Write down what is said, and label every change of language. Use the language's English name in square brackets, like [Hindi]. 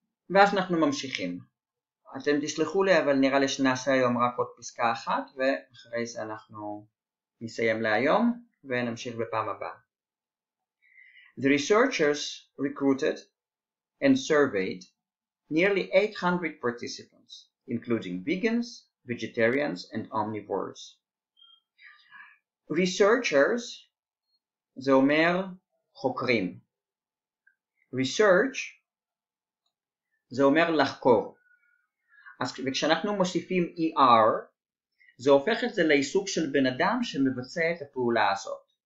[Hebrew] ואז אנחנו ממשיכים. אתם תסלחו לי, אבל נראה לי שנעשה היום רק עוד פסקה אחת, ואחרי זה אנחנו נסיים להיום, ונמשיך בפעם הבאה. [English] The researchers recruited and surveyed nearly 800 participants, including vegans, vegetarians, and omnivores. [Hebrew] Researchers, זה אומר חוקרים. Research, זה אומר לחקור. וכשאנחנו מוסיפים ER, זה הופך את זה לעיסוק של בן אדם שמבצע את הפעולה הזאת.